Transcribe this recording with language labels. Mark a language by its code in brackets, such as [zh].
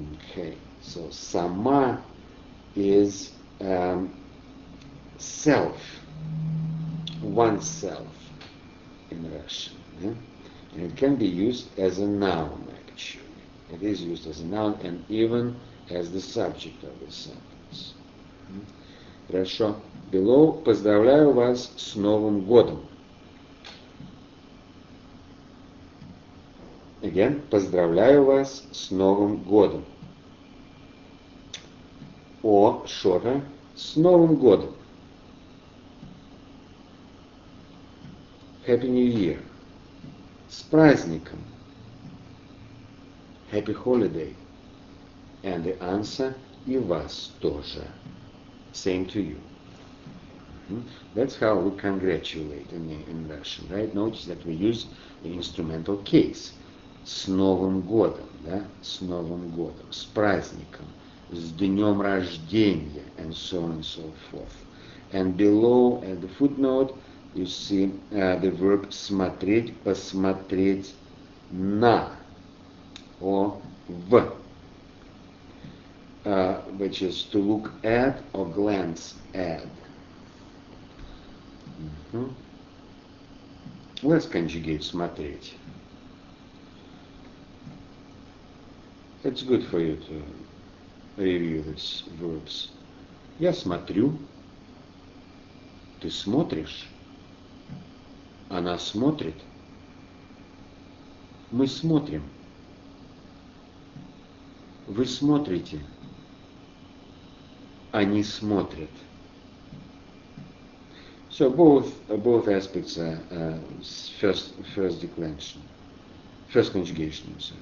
[en] Okay, so сама is self, oneself in Russian. Yeah? And it can be used as a noun, actually. It is used as a noun and even as the subject of the sentence. [ru] Хорошо. [en] Below, [ru] поздравляю вас с Новым годом. Again, поздравляю вас с Новым годом. О, шора, с Новым годом. [en] Happy New Year. [ru] С праздником. [en] Happy holiday. And the answer, [ru] и вас тоже. [en] Same to you. Mm-hmm. That's how we congratulate in Russian, right? Notice that we use the instrumental case. [ru] С Новым годом, да? С Новым годом, с праздником, с днем рождения, [en] and so on and so forth. And below, at the footnote, you see the verb [ru] смотреть, посмотреть на. [en] Or в, which is to look at or glance at. Mm-hmm. Let's conjugate смотреть. It's good for you to review these verbs. [ru] Я смотрю. Ты смотришь. Она смотрит. Мы смотрим. Вы смотрите, они смотрят. [en] So both aspects are first declension, first conjugation.